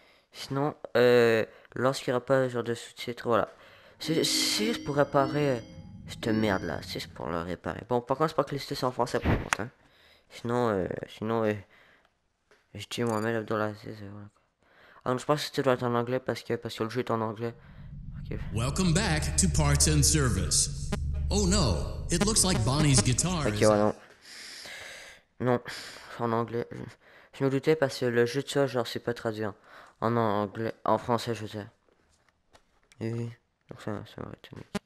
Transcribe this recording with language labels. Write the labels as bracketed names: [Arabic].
[French] Sinon, lorsqu'il n'y aura pas ce genre de sous-titres, voilà. C'est juste pour réparer cette merde là, c'est juste pour le réparer. Bon, par contre, c'est pas que les sous-titres sont en français, par contre. Hein. Sinon, je dis Mohamed Abdelaziz, voilà. Ah non, je pense que ça doit être en anglais parce que le jeu est en anglais. [English] Okay. Welcome back to Parts and Service. Oh no, it looks like Bonnie's guitar okay, is... [French] Ok, ouais, non. Non, en anglais. Je me doutais parce que le jeu de ça, genre, c'est pas traduit. En anglais, en français, je sais. Oui, donc ça m'aurait tenu.